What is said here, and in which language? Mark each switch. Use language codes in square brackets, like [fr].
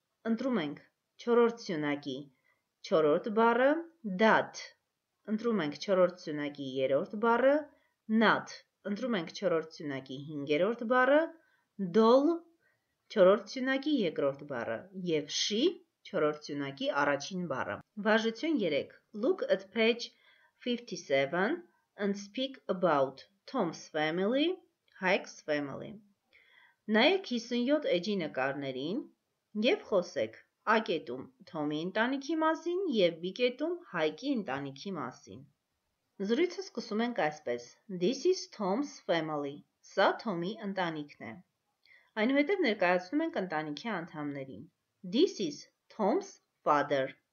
[hy] Ընտրում ենք 4-րդ սյունակի 4-րդ բառը. Dad. Ընտրում ենք 4-րդ սյունակի 3-րդ բառը. Nut. Ընտրում ենք 4-րդ սյունակի 5-րդ բառը. Doll. 4-րդ սյունակի 2-րդ բառը եւ she 4-րդ սյունակի առաջին բառը. Վարժություն 3. [en] Look at page 57 and speak about Tom's family, Hike's family. [hy] Նայեք 57 էջի նկարներին եւ խոսեք A կետում Թոմի ընտանիքի մասին եւ B կետում Հայկի ընտանիքի մասին։ Զրույցը սկսում ենք այսպես. [en] This is Tom's family. [hy] Սա Թոմի ընտանիքն է։ Այնուհետև ներկայացնում ենք ընտանիքի անդամներին։ [en] This is Tom's father.